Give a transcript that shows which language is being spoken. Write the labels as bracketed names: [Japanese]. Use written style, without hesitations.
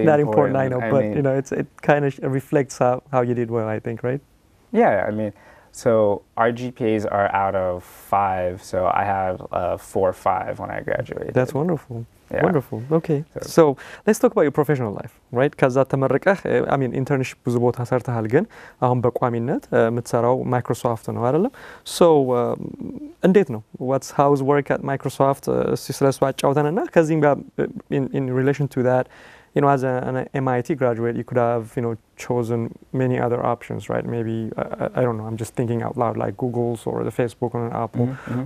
[English] It's not important, I know, but you know, it kind of reflects how you did well, I think, right? Yeah, I mean, so our GPAs are out of 5, so I have 4 or 5 when I graduated. That's wonderful. Yeah. Wonderful. Okay. So let's talk about your professional life, right? [Amharic] ከዛ ተመረቀህ [English] I mean [Amharic] internship ብዙ ቦታ ሰርተሃል ግን አሁን በቋሚነት የምትሰራው Microsoft ነው አይደል? So እንዴት ነው? [English] What's how's work at Microsoft? [Amharic] ስለሱ አጫውተንና ከዚህም ጋር [English] in relation to that, you know, as an MIT graduate, you could have, you know, chosen many other options, right? Maybe, I don't know, I'm just thinking out loud, like Google's or the Facebook or Apple. Mm-hmm.